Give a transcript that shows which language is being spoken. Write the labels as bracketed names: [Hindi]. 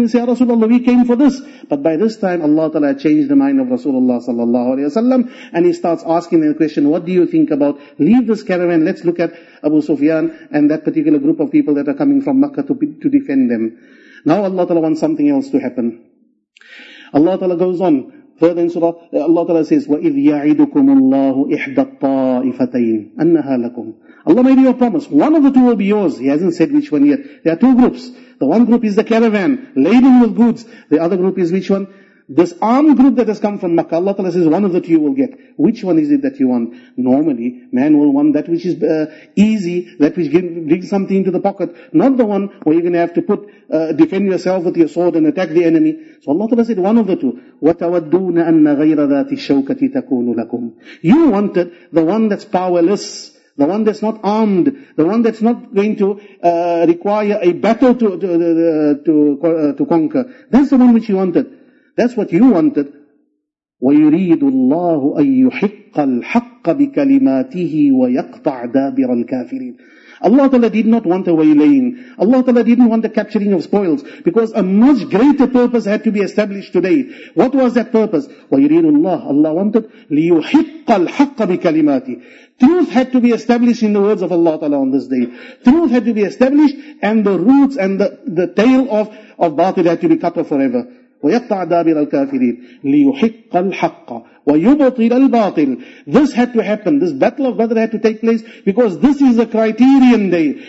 [English] They say, Rasulullah, we came for this. But by this time, Allah Ta'ala changed the mind of Rasulullah sallallahu alayhi wa sallam. And he starts asking them the question, what do you think about? Leave this caravan. Let's look at Abu Sufyan and that particular group of people that are coming from Makkah to defend them. Now Allah Ta'ala wants something else to happen. Allah Ta'ala goes on. Further in surah, Allah Ta'ala says, [Arabic] وَإِذْ يَعِدُكُمُ اللَّهُ إِحْدَى الطَّائِفَتَيْنِ أَنَّهَا لَكُمْ. [English] Allah made you a promise. One of the two will be yours. He hasn't said which one yet. There are two groups. The one group is the caravan, laden with goods. The other group is which one? This armed group that has come from Makkah. Allah Ta'ala says, one of the two you will get. Which one is it that you want? Normally, man will want that which is easy, that which brings something into the pocket. Not the one where you're going to have to defend yourself with your sword and attack the enemy. So Allah Ta'ala said, one of the two. [Arabic] وَتَوَدُّونَ أَنَّ غَيْرَ ذَاتِ الشَّوْكَةِ تَكُونُ لَكُمْ. [English] You wanted the one that's powerless, the one that's not armed, the one that's not going to require a battle to conquer. That's the one which you wanted. That's what you wanted. [Arabic] وَيُرِيدُ اللَّهُ أَن يُحِقَّ الْحَقَّ بِكَلِمَاتِهِ وَيَقْطَعْ دَابِرَ الْكَافِرِينَ. [English] Allah Ta'ala did not want a waylaying. Allah Ta'ala didn't want the capturing of spoils. Because a much greater purpose had to be established today. What was that purpose? [Arabic] وَيُرِيدُ اللَّهُ. [English] Allah wanted [Arabic] لِيُحِقَّ الْحَقَّ بِكَلِمَاتِهِ. [English] Truth had to be established in the words of Allah Ta'ala on this day. Truth had to be established, and the roots and the tail of batil had to be cut off forever. [Arabic] وَيَقْطَعْ دَابِرَ الْكَافِرِينَ لِيُحِقَّ الْحَقَّ وَيُبَطِلَ الْبَاطِلِ. [English] This had to happen. This battle of Badr had to take place because this is the criterion day.